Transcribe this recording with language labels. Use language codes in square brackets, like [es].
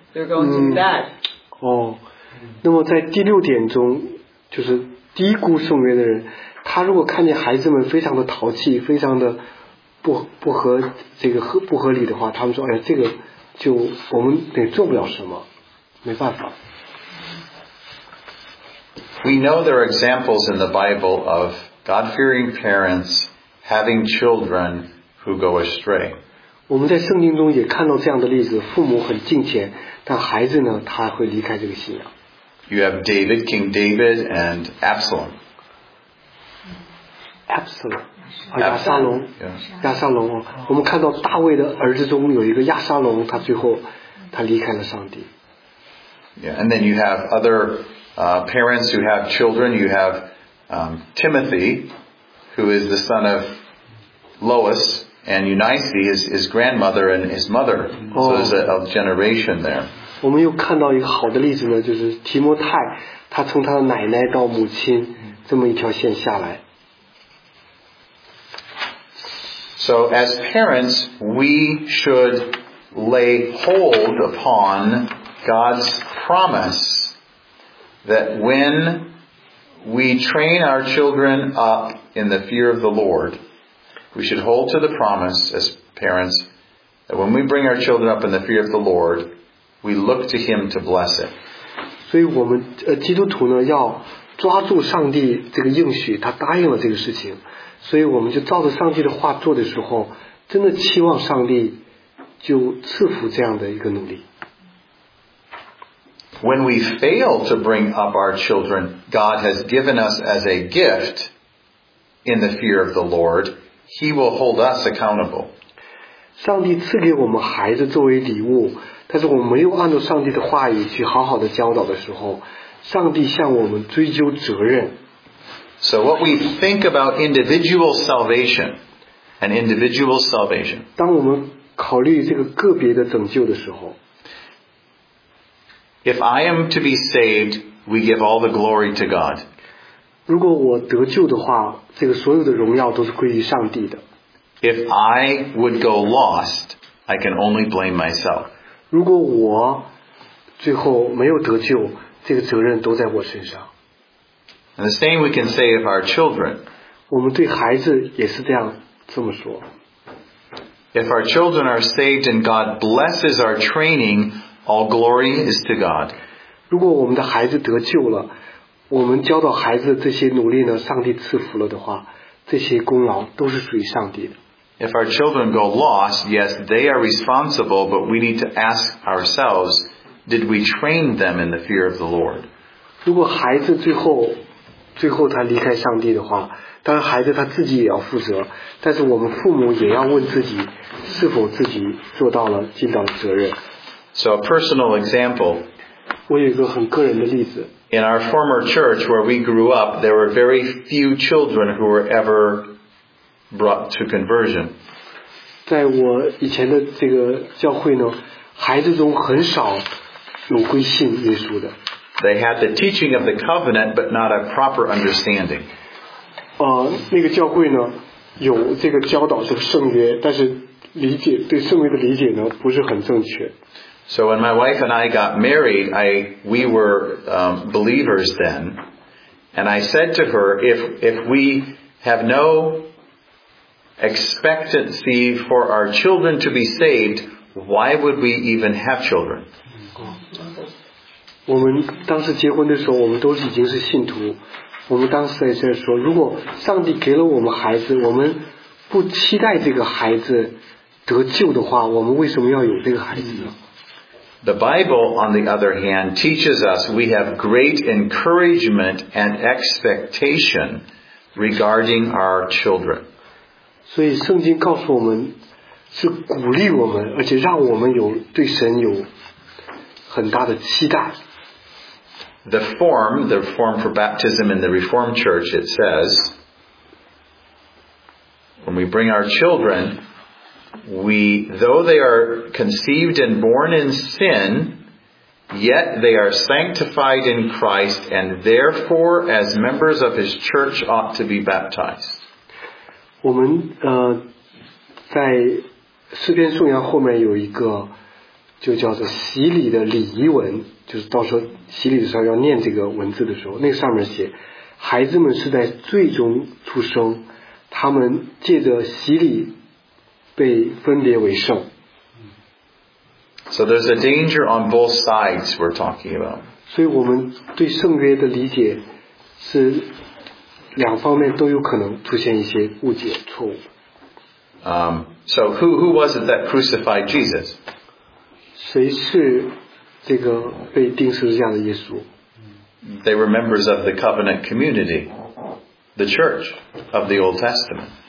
[en] They're going to be bad. [zh] 那么在第六点中，就是低估圣约的人，他如果看见孩子们非常的淘气，非常的不合理的话，他们说，哎呀，这个就我们得做不了什么，没办法。 [en] We know there are examples in the Bible of God-fearing parents having children who go astray. [zh] 我们在圣经中也看到这样的例子，父母很敬虔，但孩子呢，他会离开这个信仰。 [en] You have David, King David, and Absalom. [zh] Absalom. 亚沙龙。亚沙龙。我们看到大卫的儿子中有一个亚沙龙，他最后他离开了上帝。 [en] Yeah, and then you have other parents who have children. You have Timothy, who is the son of Lois, and Eunice is his grandmother and his mother. So there's a generation there. [zh] 我们又看到一个好的例子呢，就是提摩太，他从他的奶奶到母亲，这么一条线下来。 [en] So as parents, we should lay hold upon God's promise that when we train our children up in the fear of the Lord, we should hold to the promise as parents that when we bring our children up in the fear of the Lord, we look to Him to bless it. [zh] 所以我们基督徒呢要抓住上帝这个应许，他答应了这个事情，所以我们就照着上帝的话做的时候，真的期望上帝就赐福这样的一个努力。 [en] When we fail to bring up our children, God has given us as a gift in the fear of the Lord. He will hold us accountable. [zh] 上帝赐给我们孩子作为礼物，但是我们没有按照上帝的话语去好好的教导的时候，上帝向我们追究责任。 [en] So what we think about individual salvation, an individual salvation. [zh] 当我们考虑这个个别的拯救的时候， [en] If I am to be saved, we give all the glory to God. [zh] 如果我得救的话，这个所有的荣耀都是归于上帝的。 [en] If I would go lost, I can only blame myself. [zh] 如果我最后没有得救，这个责任都在我身上。 [en] And the same we can say of our children. [zh] 我们对孩子也是这样这么说。 [en] If our children are saved and God blesses our training,All glory is to God. [zh] 如果我们的孩子得救了，我们教导孩子这些努力呢，上帝赐福了的话，这些功劳都是属于上帝的。 [en] If our children go lost, yes, they are responsible, but we need to ask ourselves, did we train them in the fear of the Lord? [zh] 如果孩子最后他离开上帝的话，当然孩子他自己也要负责，但是我们父母也要问自己，是否自己做到了尽到了责任。 [en] So a personal example. [zh] 我有一个很个人的例子。 [en] In our former church where we grew up, there were very few children who were ever brought to conversion. [zh] 在我以前的这个教会呢，孩子中很少有归信耶稣的。 [en] They had the teaching of the covenant, but not a proper understanding. [zh] 那个教会呢，有这个教导这个圣约，但是理解对圣约的理解呢，不是很正确。 [en] So when my wife and I got married, we were believers then, and I said to her, if we have no expectancy for our children to be saved, why would we even have children? [zh] 我们当时结婚的时候，我们都已经是信徒。我们当时在说，如果上帝给了我们孩子，我们不期待这个孩子得救的话，我们为什么要有这个孩子呢？ [en] The Bible, on the other hand, teaches us we have great encouragement and expectation regarding our children. [zh] 所以圣经告诉我们，是鼓励我们，而且让我们有对神有很大的期待。 [en] The form for baptism in the Reformed Church, it says, when we bring our children,though they are conceived and born in sin, yet they are sanctified in Christ, and therefore, as members of His church, ought to be baptized. [zh] 我们在诗篇颂扬后面有一个就叫做洗礼的礼仪文，就是到时候洗礼的时候要念这个文字的时候，那上面写，孩子们是在罪中出生，他们借着洗礼。 [en] So there's a danger on both sides we're talking about. [zh] 所以我们对圣约的理解是两方面都有可能出现一些误解错误。 [en] So who was it that crucified Jesus? [zh] 谁是这个被钉十字架的耶稣? [en] They were members of the covenant community, the church of the Old Testament.